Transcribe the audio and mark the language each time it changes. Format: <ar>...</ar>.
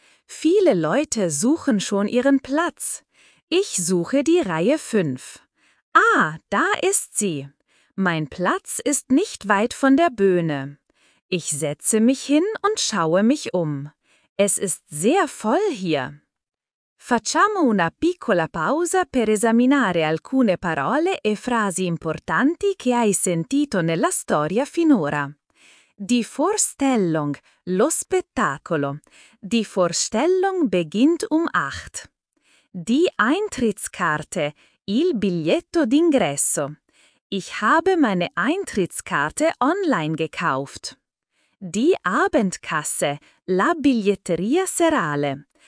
<de>Viele Leute suchen schon ihren Platz. Ich suche die Reihe 5. Ah, da ist sie. Mein Platz ist nicht weit von der Bühne. Ich setze mich hin und schaue mich um. Es ist sehr voll hier.</de> <it>Facciamo una piccola pausa per esaminare alcune parole e frasi importanti che hai sentito nella storia finora.</it> <de>Die Vorstellung,</de> <it>lo spettacolo.</it> <de>Die Vorstellung beginnt um 8. Die Eintrittskarte,</de> <it>il biglietto d'ingresso.</it> <de>Ich habe meine Eintrittskarte online gekauft. Die Abendkasse,</de> <it>la biglietteria serale.</it>